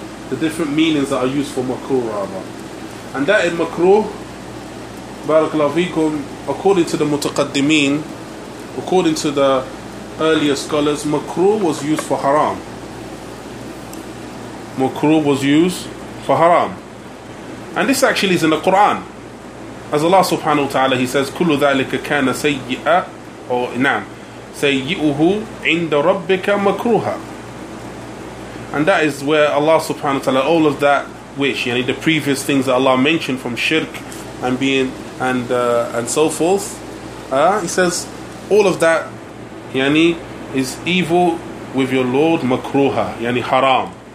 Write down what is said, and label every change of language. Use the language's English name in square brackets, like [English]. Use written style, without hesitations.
[English] the different meanings that are used for makruh, rather. And that in makruh, barakallahu fikum, according to the mutaqaddimeen, according to the earlier scholars, makruh was used for haram. Makruh was used for haram. And this actually is in the Quran. As Allah subhanahu wa ta'ala, he says, [Arabic] كُلُّ ذَلِكَ كَانَ سَيِّئًا أو نعم سَيِّئُهُ عِنْدَ رَبِّكَ مَكْرُوهًا. [English] And that is where Allah subhanahu wa ta'ala, all of that which, you know, the previous things that Allah mentioned from shirk and being and so forth, he says, all of that, yani, is evil with your Lord, makruha, yani haram.